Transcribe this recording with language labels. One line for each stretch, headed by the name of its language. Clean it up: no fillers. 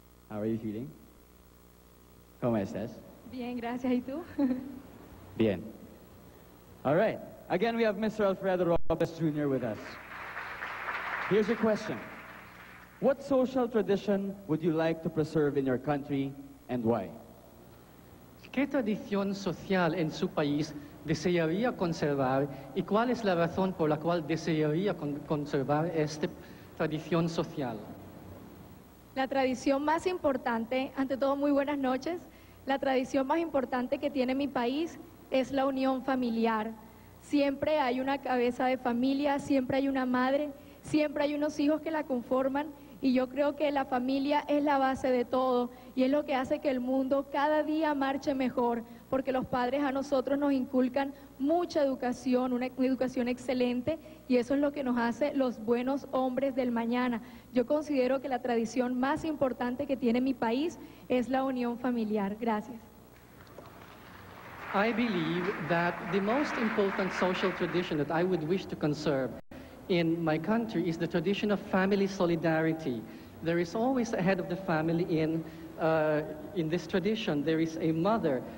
English: How are you feeling?
Spanish: ¿Cómo estás? Bien, gracias. ¿Y tú?
English: Bien. All right. Again, we have Mr. Alfredo Robles Jr. with us. Here's your question. What social tradition would you like to preserve in your country, and why?
Spanish: ¿Qué tradición social en su país desearía conservar, y cuál es la razón por la cual desearía conservar esta tradición social? La tradición más importante, ante todo, muy buenas noches, la tradición más importante que tiene mi país es la unión familiar. Siempre hay una cabeza de familia, siempre hay una madre, siempre hay unos hijos que la conforman, y yo creo que la familia es la base de todo y es lo que hace que el mundo cada día marche mejor, porque los padres a nosotros nos inculcan mucha educación, una educación excelente, y eso es lo que nos hace los buenos hombres del mañana. Yo considero que la tradición más importante que tiene mi país es la unión familiar. Gracias.
English: I believe that the most important social tradition that I would wish to conserve in my country is the tradition of family solidarity. There is always a head of the family in this tradition. There is a mother.